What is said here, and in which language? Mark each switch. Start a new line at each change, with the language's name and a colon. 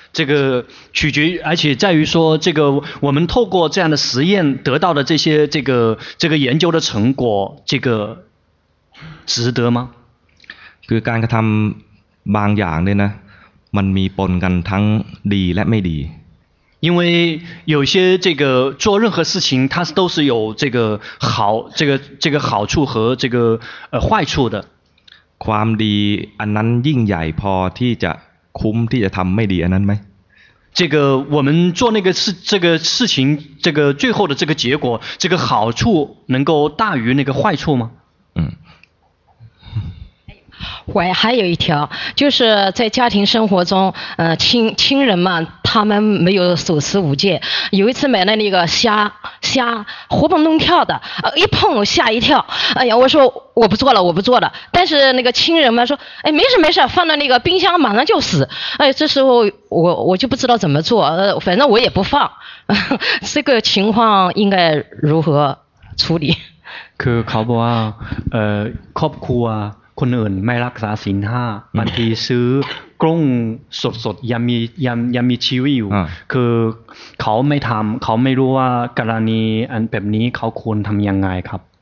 Chinese: 这个取决而且在于说这个我们透过这样的实验得到的这些这个研究的成果这个值得吗
Thai: คือการกระทำบางอย่างเนี่ยนะมันมีปนกันทั้งดีและไม่ดี
Chinese: 因为有些这个做任何事情它都是有这个好这个好处和这个坏处的
Thai: ความดีอันนั้นยิ่งใหญ่พอที่จะคุ้มที่จะทำไม่ดีอันนั้นไหม
Chinese: 这个我们做那个事这个事情这个最后的这个结果这个好处能够大于那个坏处吗喂，还有一条，就是在家庭生活中，亲人嘛，他们没有手持五戒。有一次买了那个虾，活蹦乱跳的，一碰吓一跳。哎呀，我说我不做了。但是那个亲人们说，哎，没事，放到那个冰箱马上就死。哎，这时候我就不知道怎么做，反正我也不放。这个情况应该如何处理？可靠不啊？靠不酷啊？
Thai: คนอื่นไม่รักษาศีลห้าบางทีซื้อกล้องสดๆยังมีชีวิตอยู่ คือเขาไม่ทำเขาไม่รู้ว่ากรณีอันแบบนี้เขาควรทำยังไงครับ